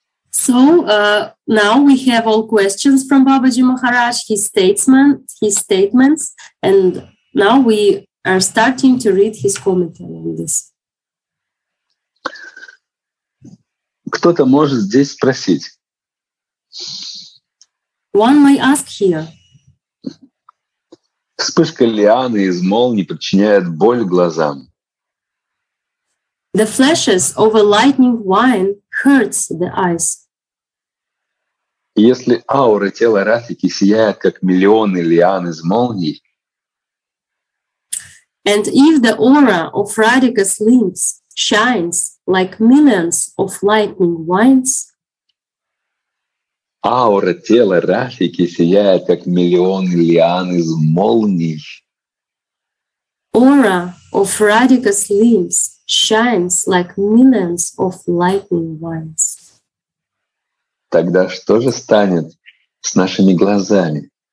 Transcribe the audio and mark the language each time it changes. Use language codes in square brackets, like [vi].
[en] So now we have all questions from Babaji Maharaj, his statements, and now we are starting to read his commentary on this. [ru] Кто-то может здесь спросить. [en] One may ask here. [ru] Вспышка лианы из молнии причиняет боль глазам. [en] The flashes of a lightning wine hurts the eyes. [ru] Если аура тела Ратхи сияет как миллионы лиан из молний, [en] and if the aura of Radhika's limbs shines like millions of lightning wines, [ru] аура тела Ратхи сияет как миллионы лиан из молний. [en] Aura of Radhika's limbs shines like millions of lightning wines. [ru] Тогда что же станет с нашими глазами?